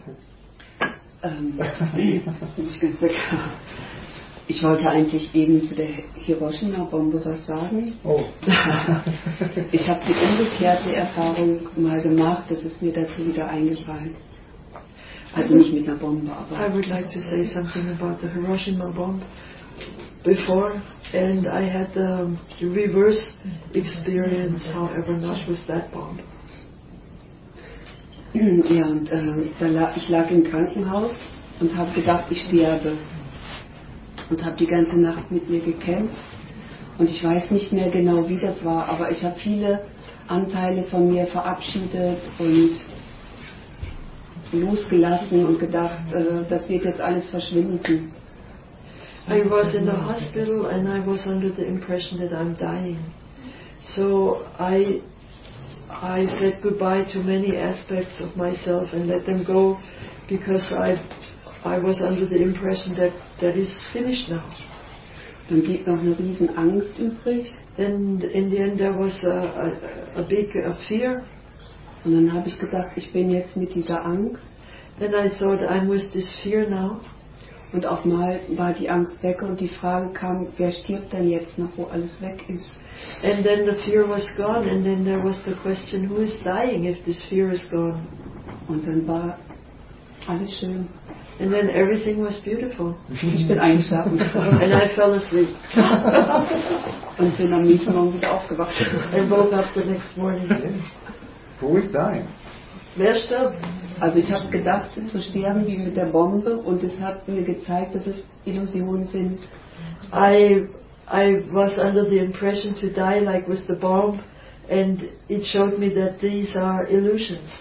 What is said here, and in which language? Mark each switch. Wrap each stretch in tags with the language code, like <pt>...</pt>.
<de>Ich kann sagen, ich wollte eigentlich eben zu der Hiroshima-Bombe was sagen. Oh. Ich habe die umgekehrte Erfahrung mal gemacht, das ist mir dazu wieder eingefallen. Also nicht mit einer Bombe, aber...</de> <en>I would like to say something about the Hiroshima bomb before, and I had the reverse experience, however, not with that bomb.</en> <de>Ja, und ich lag im Krankenhaus und habe gedacht, ich sterbe. Und habe die ganze Nacht mit mir gekämpft. Und ich weiß nicht mehr genau, wie das war, aber ich habe viele Anteile von mir verabschiedet und losgelassen und gedacht, das wird jetzt alles verschwinden.</de> <en>I was in the hospital and I was under the impression that I'm dying. So I said goodbye to many aspects of myself and let them go, because I was under the impression that that is finished now.</en> <de>Dann blieb noch eine riesen Angst übrig.</de> <en>Then in the end there was a big a fear.</en> <de>Und dann habe ich gedacht, ich bin jetzt mit dieser Angst.</de> <en>Then I thought I'm with this fear now.</en> <de>Und auf einmal war die Angst weg und die Frage kam, wer stirbt denn jetzt noch, wo alles weg ist?</de> <en>And then the fear was gone and then there was the question, who is dying if this fear is gone?</en> <de>Und dann war alles schön.</de> <en>And then everything was beautiful.</en> <de>Ich bin eingeschlafen.</de> <en>And I fell asleep.</en> <de>Und bin am nächsten Morgen wieder aufgewacht.</de> <en>And woke up the next morning. Who is dying?</en> <de>Wer stirbt? Also ich habe gedacht, zu sterben wie mit der Bombe und es hat mir gezeigt, dass es Illusionen sind.</de> <en>I was under the impression to die like with the bomb and it showed me that these are illusions.</en>